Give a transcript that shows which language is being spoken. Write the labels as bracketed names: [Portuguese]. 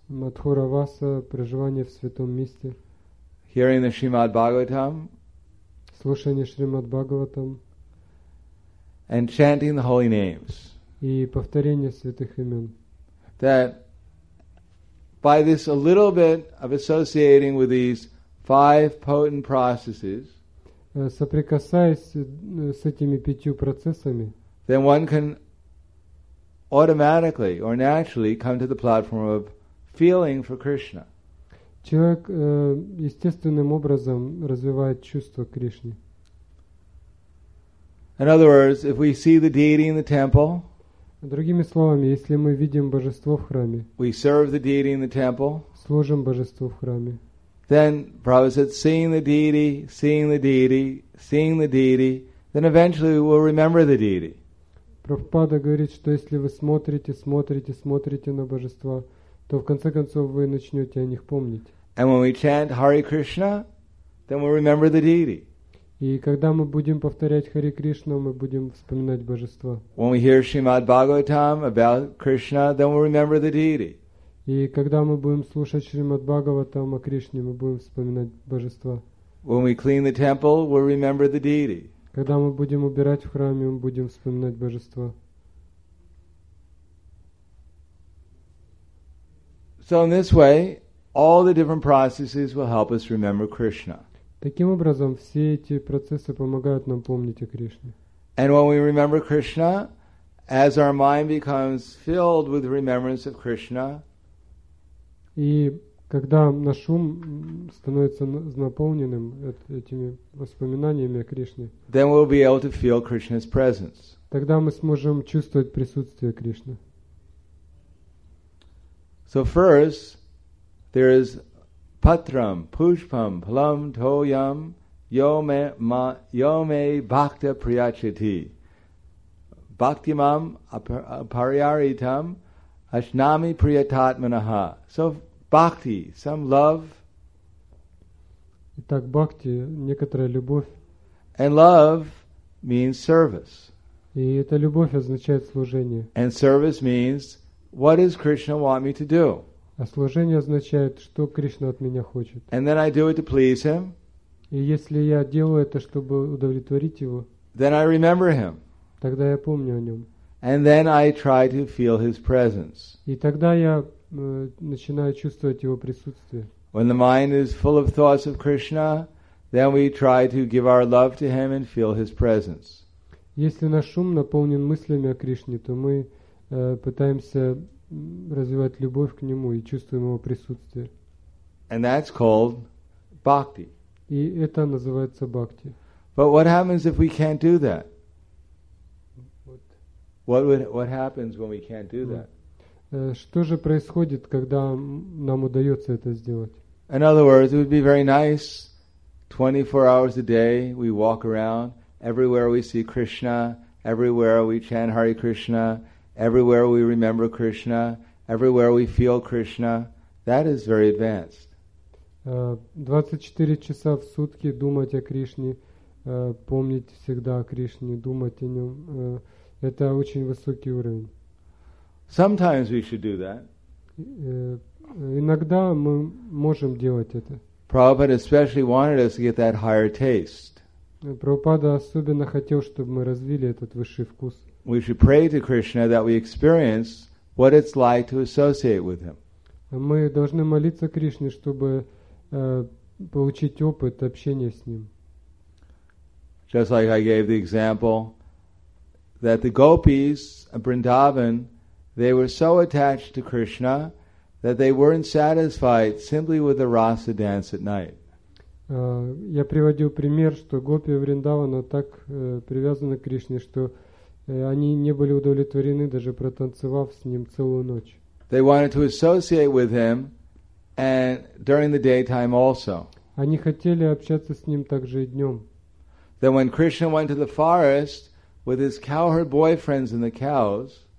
[Russian] Матхура Васа, проживание в святом месте. [English] Hearing the Srimad Bhagavatam. [Russian] Слушание Шримад Бхагаватам. [English] And chanting the holy names. [Russian] И повторение святых имен. [English] That by this a little bit of associating with these five potent processes, [Russian] соприкасаясь с этими пятью процессами, [English] then one can automatically or naturally come to the platform of feeling for Krishna. [Russian] Человек естественным образом развивает чувство Кришны. [English] In other words, if we see the deity in the temple, [Russian] другими словами, если мы видим божество в храме, [English] we serve the deity in the temple, [Russian] служим божеству в храме, [English] then Prabhupada said, seeing the deity, seeing the deity, seeing the deity, then eventually we will remember the deity. [Russian] Прабхупада говорит, что если вы смотрите, смотрите, смотрите на божества, то в конце концов вы начнете о них помнить. [English] And when we chant Hare Krishna, then we'll remember the deity. [Russian] И когда мы будем повторять Хари Кришну, мы будем вспоминать Божество. [English] When we hear Srimad Bhagavatam about Krishna, then we'll remember the deity. [Russian] И когда мы будем слушать Шримад Бхагаватам о Кришне, мы будем вспоминать Божество. [English] When we clean the temple, we'll remember the deity. [Russian] Когда мы будем убирать в храме, мы будем вспоминать Божество. [English] So in this way, all the different processes will help us remember Krishna. [Russian] Таким образом, все эти процессы помогают нам помнить о Кришне. [English] And when we remember Krishna, as our mind becomes filled with remembrance of Krishna, [Russian] и когда наш ум становится наполненным этими воспоминаниями о Кришне, [English] then we'll be able to feel Krishna's presence. [Russian] Тогда мы сможем чувствовать присутствие Кришны. [English] So first, there is [Sanskrit] patram, pushpam, palam, toyam, yome bhakta priyachati, bhaktimam aparyaritam, ashnami priyatatmanaha. [English] So bhakti, some love. [Russian] Итак, бхакти, некоторая любовь. [English] And love means service. [Russian] И эта любовь означает служение. [English] And service means, what does Krishna want me to do? [Russian] А служение означает, что Кришна от меня хочет. [English] And then I do it to please him. [Russian] И если я делаю это, чтобы удовлетворить его, [English] then I remember him. [Russian] Тогда я помню о нем. [English] And then I try to feel his presence. [Russian] И тогда я начинаю чувствовать его присутствие. [English] When the mind is full of thoughts of Krishna, then we try to give our love to him and feel his presence. [Russian] Если наш ум наполнен мыслями о Кришне, то мы пытаемся развивать любовь к нему и чувствуем его присутствие. [English] And that's called bhakti. [Russian] И это называется бхакти. [English] But what happens if we can't do that? What happens when we can't do that? [Russian] Что же происходит, когда нам удается это сделать? [English] In other words, it would be very nice, 24 hours a day, we walk around, everywhere we see Krishna, everywhere we chant Hare Krishna, everywhere we remember Krishna, everywhere we feel Krishna. That is very advanced. [Russian] 24 часа в сутки думать о Кришне, помнить всегда о Кришне, думать о нем, это очень высокий уровень. [English] Sometimes we should do that. [Russian] Иногда мы можем делать это. [English] Prabhupada especially wanted us to get that higher taste. [Russian] Прабхупада особенно хотел, чтобы мы развили этот высший вкус. [English] We should pray to Krishna that we experience what it's like to associate with him. [Russian] Мы должны молиться Кришне, чтобы получить опыт общения с ним. [English] Just like I gave the example that the gopis of Vrindavan, they were so attached to Krishna that they weren't satisfied simply with the rasa dance at night. [Russian] Я приводил пример, что гопи Вриндавана так привязаны к Кришне, что они не были удовлетворены, даже протанцевав с ним целую ночь. [English] They wanted to associate with him and during the daytime also. [Russian] Они хотели общаться с ним также и днем. [English] Then when Krishna went to the forest with his cowherd boyfriends and the cows,